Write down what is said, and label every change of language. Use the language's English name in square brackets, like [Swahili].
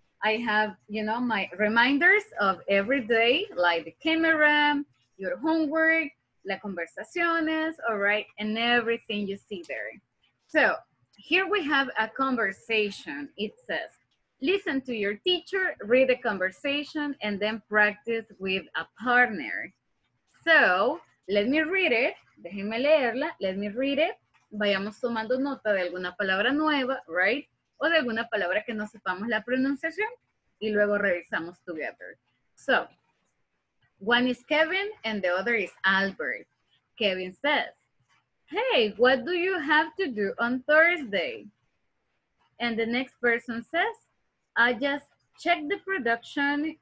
[English] I have, you know, my reminders of every day, like the camera, your homework, las conversaciones, all right, and everything you see there. So, here we have a conversation. It says, listen to your teacher, read the conversation, and then practice with a partner. So, let me read it. [Spanish] Déjenme leerla. [English] Let me read it. [Spanish] Vayamos tomando nota de alguna palabra nueva, right? O de alguna palabra que no sepamos la pronunciación. Y luego revisamos together. [English] So, one is Kevin and the other is Albert. Kevin says, hey, what do you have to do on Thursday? And the next person says, I just checked the production.